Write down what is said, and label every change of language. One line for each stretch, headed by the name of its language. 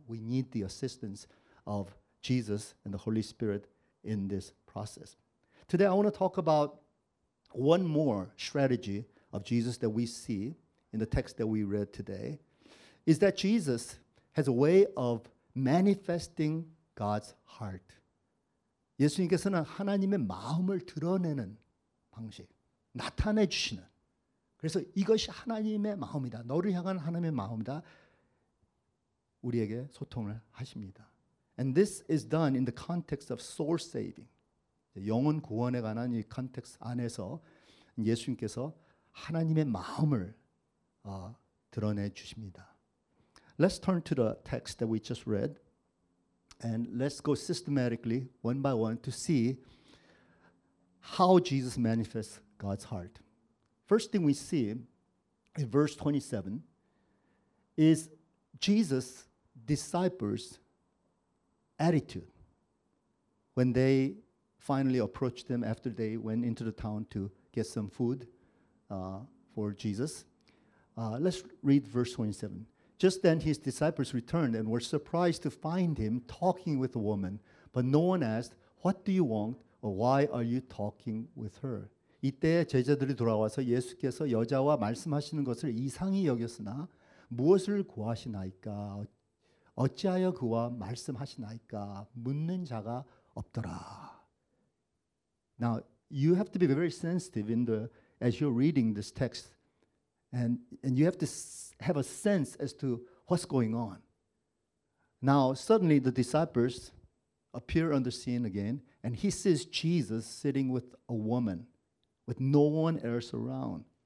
English: We need the assistance of Jesus and the Holy Spirit in this process. Today I want to talk about one more strategy of Jesus that we see in the text that we read today, is that Jesus has a way of manifesting God's heart.
Korean: 예수님께서는 하나님의 마음을 드러내는 방식, 나타내 주시는. 그래서 이것이 하나님의 마음이다. 너를 향한 하나님의 마음이다. 우리에게 소통을 하십니다.
English: And this is done in the context of soul saving.
Korean: 영혼 구원에 관한 이 context 안에서 예수님께서 하나님의 마음을 드러내 주십니다.
English: Let's turn to the text that we just read. And let's go systematically, one by one, to see how Jesus manifests God's heart. First thing we see in verse 27 is Jesus' disciples' attitude when they finally approached him after they went into the town to get some food for Jesus. Let's read verse 27. Just then his disciples returned and were surprised to find him talking with a woman. But no one asked, what do you want or why are you talking with her?
Korean: 이때 제자들이 돌아와서 예수께서 여자와 말씀하시는 것을 이상히 여겼으나 무엇을 구하시나이까? 어찌하여 그와 말씀하시나이까? 묻는 자가 없더라.
English: Now, you have to be very sensitive in the as you're reading this text. And you have to have a sense as to what's going on. Now, suddenly the disciples appear on the scene again, and he sees Jesus sitting with a woman, with no one else around.